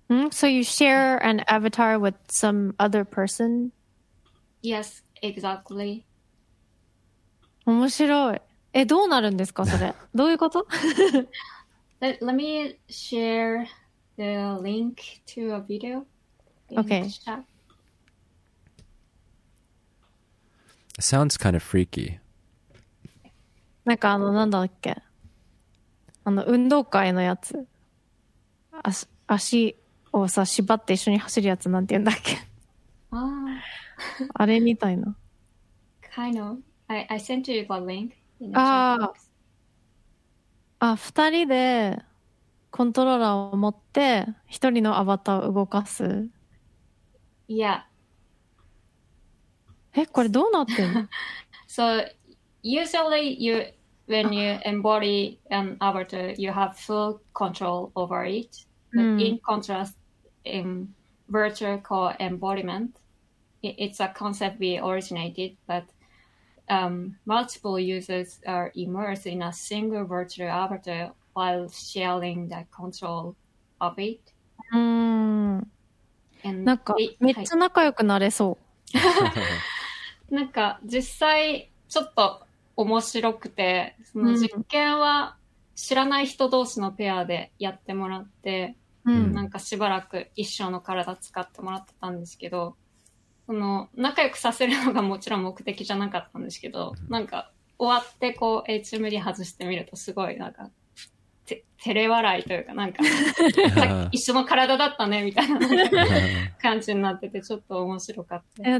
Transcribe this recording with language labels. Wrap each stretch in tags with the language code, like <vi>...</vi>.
<en>So you share an avatar with some other person? Yes, exactly.</en> <ja>面白い。え、どうなるんですか、それ。どういうこと？</ja> <en>let me share the link to a video. Okay. Sounds kind of freaky.</en> <ja>なんかあの、なんだっけ。あの運動会のやつ、足をさ縛って一緒に走るやつなんて言うんだっけ、あれみたいな。</ja> <en>Kind of. I sent you a link.</en> <ja>ああ、二人でコントローラーを持って一人のアバターを動かす。いや。え、これどうなってんの？</ja> <en>So usually you. When you embody an avatar, you have full control over it. But in contrast, in virtual co-embodiment, it's a concept we originated, but multiple users are immersed in a single virtual avatar while sharing the control of it.</en> <ja>なんかめっちゃ仲良くなれそう。なんか実際ちょっと面白くて、その実験は知らない人同士のペアでやってもらって、うん、なんかしばらく一緒の体使ってもらってたんですけど、その仲良くさせるのがもちろん目的じゃなかったんですけど、なんか終わってこう HMD 外してみるとすごいなんか照れ笑いというか、なんかさっき一緒の体だったねみたいな感じになってて、ちょっと面白かった。</ja>